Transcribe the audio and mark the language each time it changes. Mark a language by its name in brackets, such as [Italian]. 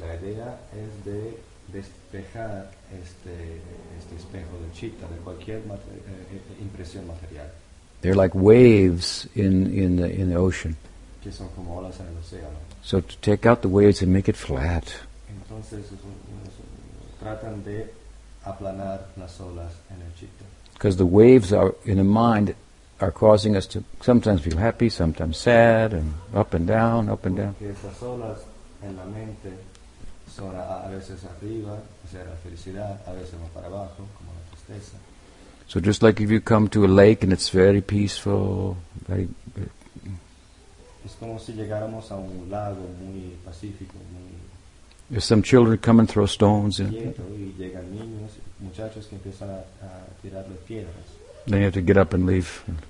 [Spanish] La idea es de despejar este espejo de chitta de cualquier impresión material. [English] They're like waves in the ocean. [Spanish] Que son como olas en el océano. [English] So to take out the waves and make it flat. [Spanish] Entonces, tratan de aplanar las olas en el chitta. [English] Because the waves are in the mind are causing us to sometimes feel happy, sometimes sad, and up and down, up and down. [Spanish] Porque esas olas en la mente son a veces arriba, o sea, la felicidad, a veces más para abajo, como la tristeza. [English] So just like if you come to a lake and it's very peaceful, very. [Spanish] Es como si llegáramos a un lago muy pacífico, muy. [English] If some children come and throw stones, then you have to get up and leave.